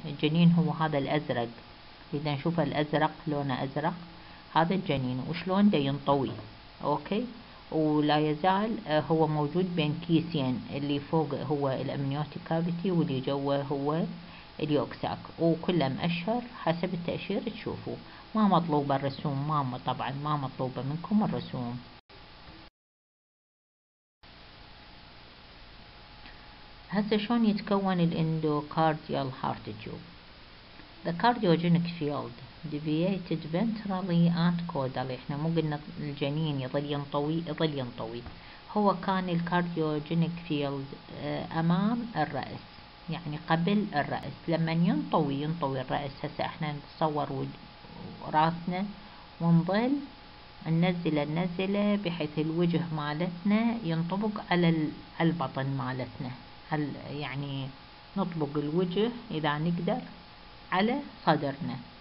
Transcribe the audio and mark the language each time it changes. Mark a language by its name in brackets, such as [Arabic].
[Arabic] الجنين هو هذا الأزرق، إذا نشوف الأزرق لونه أزرق هذا الجنين وشلون دا ينطوي، أوكي؟ ولا يزال هو موجود بين كيسين، اللي فوق هو الأمنيوتيك كافيتي واللي جوه هو اليوكساك، وكلهم أشهر حسب التأشير تشوفوا. ما مطلوبة الرسوم، ما طبعا ما مطلوبة منكم الرسوم. هسه شلون يتكون الاندوكارديال هارت تيوب؟ [English] The cardiogenic field deviated ventrally and caudally. [Arabic] احنا مو قلنا الجنين يظل ينطوي، يظل ينطوي. هو كان الكارديوجينيك فيلد امام الرأس، يعني قبل الرأس. لما ينطوي ينطوي الرأس، هسه احنا نتصور راسنا ونظل ننزل النزلة بحيث الوجه مالتنا ينطبق على البطن مالتنا، هل يعني نطبق الوجه إذا نقدر على صدرنا.